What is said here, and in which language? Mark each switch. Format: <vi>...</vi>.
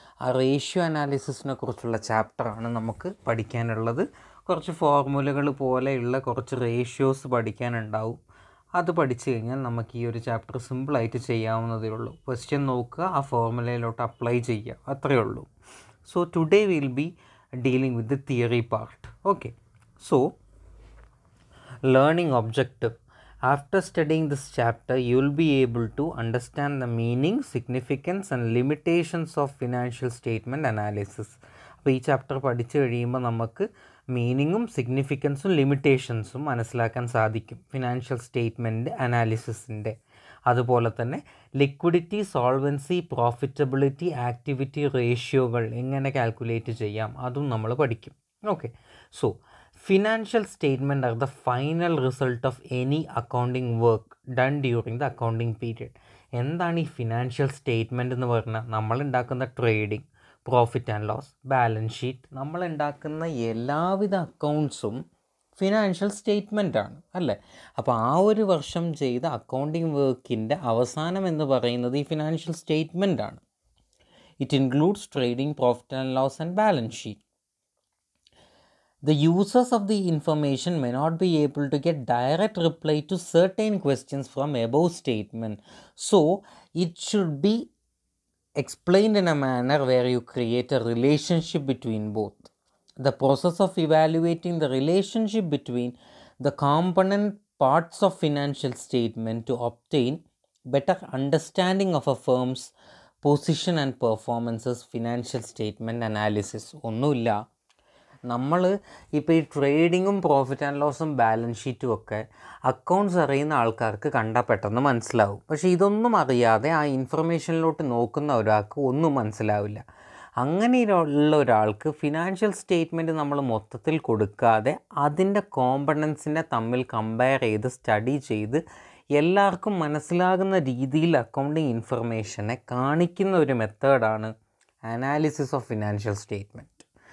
<ml>ആ റേഷ്യോ അനാലിസിസിനെ കുറിച്ചുള്ള ചാപ്റ്ററാണ് നമുക്ക് പഠിക്കാനുള്ളത്. കുറച്ച് ഫോർമുലകൾ പോലെയുള്ള കുറച്ച് റേഷ്യോസ് പഠിക്കാനുണ്ടാവും. അത് പഠിച്ചു കഴിഞ്ഞാൽ നമുക്ക് ഈ ഒരു ചാപ്റ്റർ സിമ്പിളായിട്ട് ചെയ്യാവുന്നതേ ഉള്ളൂ. ക്വസ്റ്റ്യൻ നോക്കുക, ആ ഫോർമുലയിലോട്ട് അപ്ലൈ ചെയ്യുക, അത്രയേ ഉള്ളൂ.</ml> <en>So today will be dealing with the theory part. Okay, so learning objective: After studying this chapter, you will be able to understand the meaning, significance and limitations of financial statement analysis.</en> <ml>അപ്പോൾ ഈ chapter പഠിച്ചു കഴിയുമ്പോൾ നമുക്ക് മീനിങ്ങും സിഗ്നിഫിക്കൻസും ലിമിറ്റേഷൻസും മനസ്സിലാക്കാൻ സാധിക്കും financial statement അനാലിസിസിൻ്റെ. അതുപോലെ തന്നെ liquidity, solvency, profitability, activity റേഷ്യോകൾ എങ്ങനെ കാൽക്കുലേറ്റ് ചെയ്യാം, അതും നമ്മൾ പഠിക്കും.</ml> <en>Okay, so financial statement are the final result of any accounting work done during the accounting period.</en> <ml>എന്താണ് ഈ ഫിനാൻഷ്യൽ സ്റ്റേറ്റ്മെൻ്റ് എന്ന് പറഞ്ഞാൽ നമ്മളുണ്ടാക്കുന്ന trading, profit and loss, balance sheet, നമ്മളുണ്ടാക്കുന്ന എല്ലാവിധ അക്കൗണ്ട്സും ഫിനാൻഷ്യൽ സ്റ്റേറ്റ്മെൻ്റാണ് അല്ലേ. അപ്പോൾ ആ ഒരു വർഷം ചെയ്ത അക്കൗണ്ടിങ് വർക്കിൻ്റെ അവസാനം എന്ന് പറയുന്നത് ഈ financial സ്റ്റേറ്റ്മെൻ്റാണ്.</ml> <en>It includes trading, profit and loss and balance sheet. The users of the information may not be able to get direct reply to certain questions from above statement. So, it should be explained in a manner where you create a relationship between both. The process of evaluating the relationship between the component parts of financial statement to obtain better understanding of a firm's position and performances, financial statement analysis.</en> <ml>ഒന്നുമില്ല. നമ്മൾ ഇപ്പോൾ ഈ ട്രേഡിങ്ങും profit and ലോസും balance ഷീറ്റും ഒക്കെ accounts അറിയുന്ന ആൾക്കാർക്ക് കണ്ടാൽ പെട്ടെന്ന് മനസ്സിലാവും. പക്ഷേ ഇതൊന്നും അറിയാതെ ആ ഇൻഫർമേഷനിലോട്ട് നോക്കുന്ന ഒരാൾക്ക് ഒന്നും മനസ്സിലാവില്ല. അങ്ങനെ ഉള്ള ഒരാൾക്ക് ഫിനാൻഷ്യൽ സ്റ്റേറ്റ്മെൻറ്റ് നമ്മൾ മൊത്തത്തിൽ കൊടുക്കാതെ അതിൻ്റെ കോമ്പണൻസിനെ തമ്മിൽ കമ്പയർ ചെയ്ത് സ്റ്റഡി ചെയ്ത് എല്ലാവർക്കും മനസ്സിലാകുന്ന രീതിയിൽ അക്കൗണ്ടിങ് ഇൻഫർമേഷനെ കാണിക്കുന്ന ഒരു മെത്തേഡാണ് അനാലിസിസ് ഓഫ് ഫിനാൻഷ്യൽ സ്റ്റേറ്റ്മെൻറ്റ്.</ml>